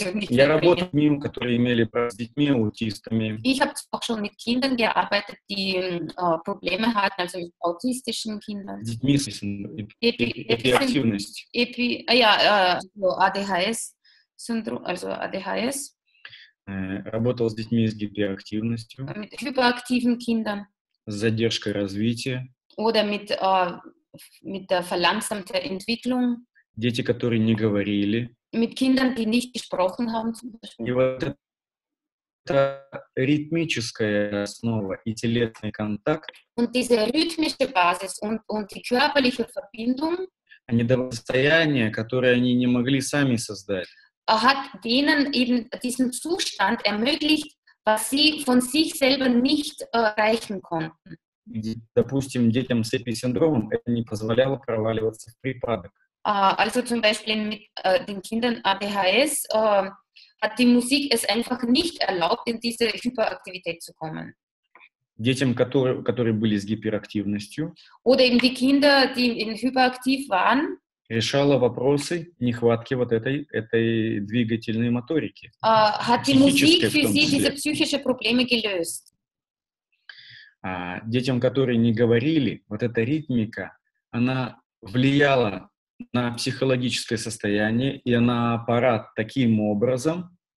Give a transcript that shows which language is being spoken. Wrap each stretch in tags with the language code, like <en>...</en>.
<ru>я работал с ними, которые имели с детьми, аутистами.</ru> <de>Ich habe auch schon mit Kindern gearbeitet, die Probleme hatten, also mit autistischen Kindern.</de> <ru>С детьми с эпилептичностью.</ru> <de>ADHS синдром, also ADHS.</de> <ru>Работал с детьми с гиперактивностью.</ru> <de>Mit hyperaktiven Kindern.</de> <ru>С задержкой развития.</ru> <de>Oder mit der verlangsamten Entwicklung.</de> <ru>Дети, которые не говорили.</ru> <de>Mit Kindern, die nicht gesprochen haben, zum Beispiel.</de> <ru>Вот это ритмическая основа и телесный контакт.</ru> <de>Und diese rhythmische Basis und die körperliche Verbindung.</de> <ru>Они давали состояние, которое они не могли сами создать.</ru> <de>Hat denen eben diesen Zustand ermöglicht, was sie von sich selber nicht erreichen konnten.</de> <ru>Допустим, детям с эпи-синдромом это не позволяло проваливаться в припадок.</ru> <de>Also zum Beispiel mit den Kindern ADHS hat die Musik es einfach nicht erlaubt, in diese Hyperaktivität zu kommen.</de> <ru>Детям, которые были с гиперактивностью.</ru> <de>Oder eben die Kinder, die hyperaktiv waren.</de> <ru>Решала вопросы нехватки вот этой двигательной моторики.</ru> <de>Hat die Musik für sie diese psychische Probleme gelöst.</de> <ru>Детям, которые не говорили, вот эта ритмика, она влияла на психологическое состояние и на аппарат таким образом.</ru>